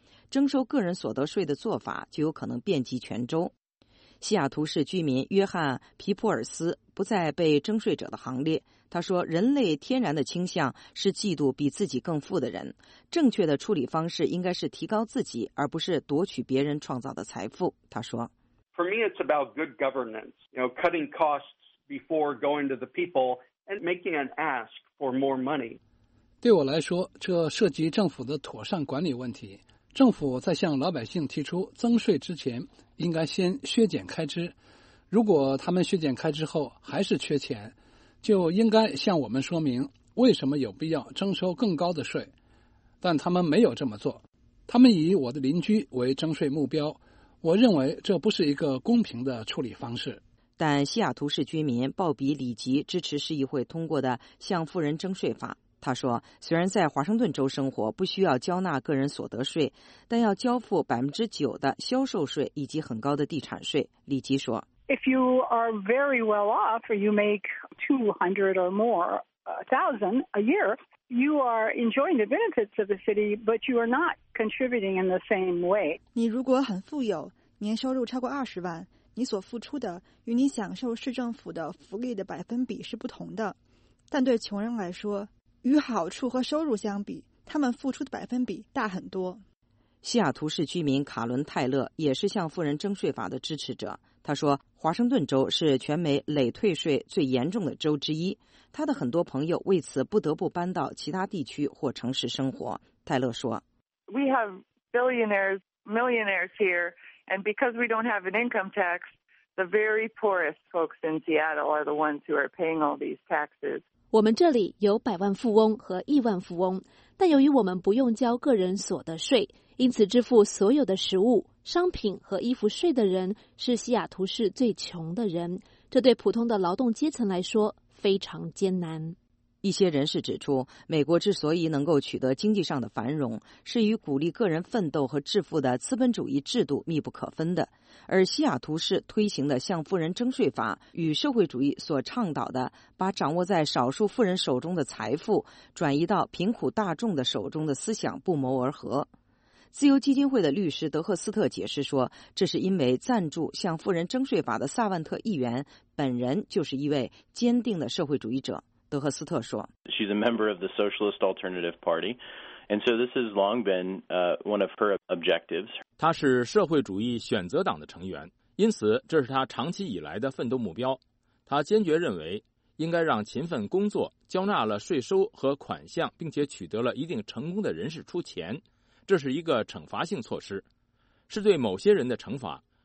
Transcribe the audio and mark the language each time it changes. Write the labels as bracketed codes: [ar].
[zh] 征收个人所得税的做法就有可能遍及全州。西雅图市居民约翰·皮普尔斯不再被征税者的行列。他说，人类天然的倾向是嫉妒比自己更富的人，正确的处理方式应该是提高自己，而不是夺取别人创造的财富。他说， [en] For me, it's about good governance, you know, cutting costs before going to the people and making an ask for more money. [zh] 对我来说，这涉及政府的妥善管理问题。政府在向老百姓提出增税之前，应该先削减开支。如果他们削减开支后还是缺钱，就应该向我们说明为什么有必要征收更高的税。但他们没有这么做，他们以我的邻居为征税目标。我认为这不是一个公平的处理方式。但西雅图市居民鲍比·里吉支持市议会通过的向富人征税法。他说，虽然在华盛顿州生活不需要交纳个人所得税，但要交付9%的销售税以及很高的地产税。里吉说， [en] If you are very well off, or you make 200 or more thousand a year, you are enjoying the benefits of the city, but you are not contributing in the same way. [zh] 你如果很富有，年收入超过20万，你所付出的与你享受市政府的福利的百分比是不同的。但对穷人来说，与好处和收入相比，他们付出的百分比大很多。西雅图市居民卡伦·泰勒也是向富人征税法的支持者。他说，华盛顿州是全美累退税最严重的州之一，他的很多朋友为此不得不搬到其他地区或城市生活。泰勒说， [en] We have billionaires, millionaires here, and because we don't have an income tax, the very poorest folks in Seattle are the ones who are paying all these taxes. [zh] 我们这里有百万富翁和亿万富翁，但由于我们不用交个人所得税，因此支付所有的食物、商品和衣服税的人是西雅图市最穷的人，这对普通的劳动阶层来说非常艰难。一些人士指出，美国之所以能够取得经济上的繁荣，是与鼓励个人奋斗和致富的资本主义制度密不可分的。而西雅图市推行的向富人征税法与社会主义所倡导的把掌握在少数富人手中的财富转移到贫苦大众的手中的思想不谋而合。自由基金会的律师德赫斯特解释说，这是因为赞助向富人征税法的萨万特议员本人就是一位坚定的社会主义者。德赫斯特说， [en] She's a member of the Socialist Alternative Party, and so this has long been one of her objectives. [zh] 她是社会主义选择党的成员，因此这是她长期以来的奋斗目标。她坚决认为，应该让勤奋工作、交纳了税收和款项，并且取得了一定成功的人士出钱，这是一个惩罚性措施，是对某些人的惩罚。